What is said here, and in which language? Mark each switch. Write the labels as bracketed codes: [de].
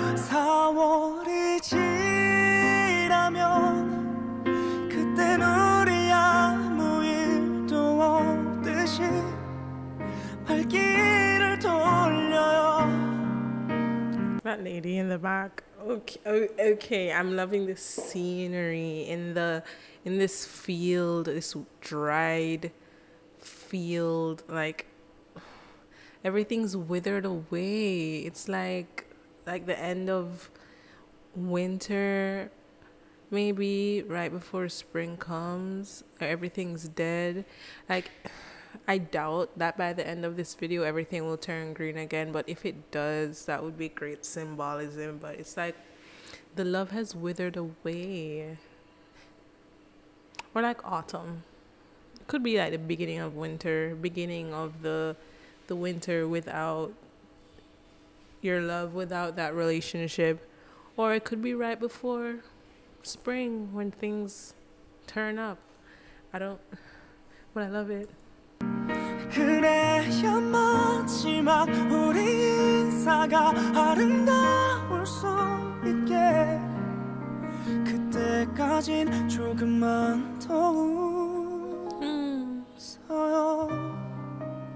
[ko] 4월이 지나면 그땐 우리 아무 일도 없듯이 발길을 돌려요. [en] That lady in the back. Okay, I'm loving the scenery in this field, this dried field. Like everything's withered away. It's like the end of winter, maybe right before spring comes. Everything's dead. Like I doubt that by the end of this video everything will turn green again, but if it does, that would be great symbolism. But it's like the love has withered away. Or like autumn. It could be like the beginning of winter, beginning of the winter without your love, without that relationship. Or it could be right before spring when things turn up. But I love it. [ko] 그래야 마지막 우리 인사가 아름다울 수 있게 그때까진 조금만 더 웃어요.